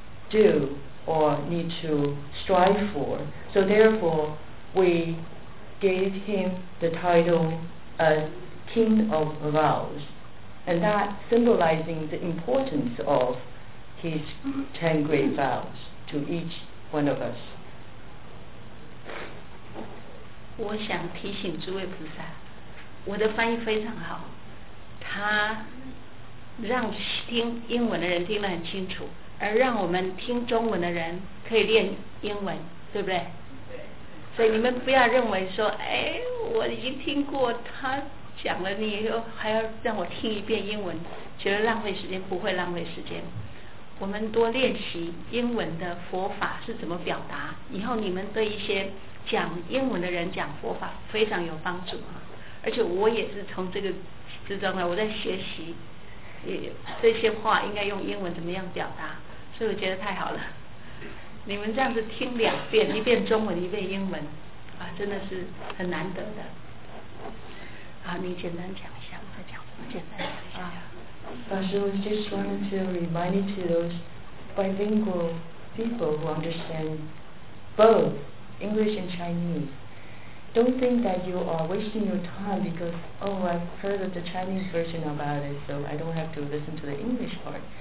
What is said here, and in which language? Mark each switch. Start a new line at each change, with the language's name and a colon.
English: Do or need to strive for. So therefore, we gave him the title as King of Vows, and that symbolizing the importance of his 10 great vows to each one of us.
Chinese: 我想提醒诸位菩萨，我的翻译非常好，他让听英文的人听得很清楚。而让我们听中文的人可以练英文，对不对？对。所以你们不要认为说，哎，我已经听过他讲了，你又还要让我听一遍英文，觉得浪费时间，不会浪费时间。我们多练习英文的佛法是怎么表达，以后你们对一些讲英文的人讲佛法非常有帮助啊。而且我也是从这个之中呢，我在学习这些话应该用英文怎么样表达，所以我觉得太好了。你们这样子听两遍，一遍中文，一遍英文，啊，真的是很难得的。好，你简单讲一下，我再讲，简单讲一下。
English: Pastor, I just wanted to remind you to those bilingual people who understand both English and Chinese. Don't think that you are wasting your time because, oh, I've heard of the Chinese version about it, so I don't have to listen to the English part.